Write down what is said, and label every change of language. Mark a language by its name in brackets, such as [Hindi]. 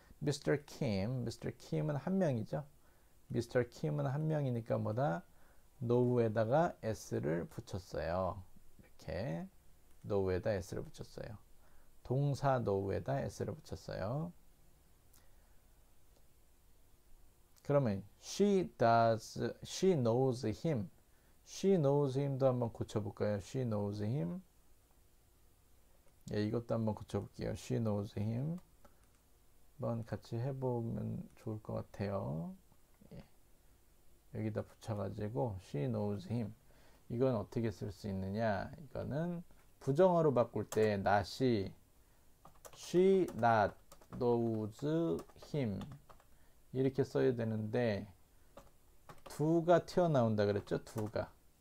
[Korean] Mr. Kim. Mr. Kim은 한 명이죠? Mr. Kim은 한 명이니까 뭐다? 노우에다가 S를 붙였어요. 이렇게 노우에다 S를 붙였어요. 동사 노우에다 S를 붙였어요. 그러면 [English] she knows him. She knows him [Korean] 도 한번 고쳐볼까요? [English] She knows him. [Korean] 예, 이것도 한번 고쳐볼게요. [English] She knows him. [Korean] 한번 같이 해보면 좋을 것 같아요. 여기다 붙여가지고 [English] she knows him. [Korean] 이건 어떻게 쓸수 있느냐? 이거는 부정어로 바꿀 때 나 [English] she, she not knows him [Korean] 이렇게 써야 되는데 두가 튀어나온다 그랬죠? 두가.